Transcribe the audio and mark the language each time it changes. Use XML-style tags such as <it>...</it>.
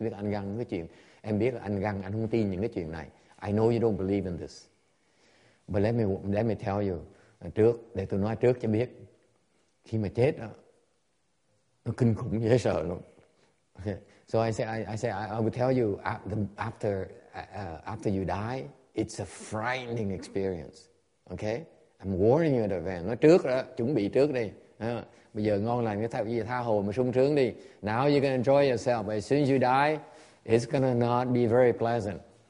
<vi>Biết anh găng cái chuyện, em biết là anh găng, anh không tin những cái chuyện này.</vi> <en>I know you don't believe in this. But let me tell you</en> <vi>trước, để tôi nói trước cho biết, khi mà chết đó, nó kinh khủng dễ sợ luôn.</vi> <en>Okay. So I will tell you after you die, it's a frightening experience. Okay? I'm warning you in advance.</en> <vi>Nói trước đó, chuẩn bị trước đi. Bây giờ ngon lành cái thao gì tha hồ mà sung sướng đi.</vi> <en>Now you can enjoy yourself. But as soon as you die, it's gonna not be very pleasant.</en>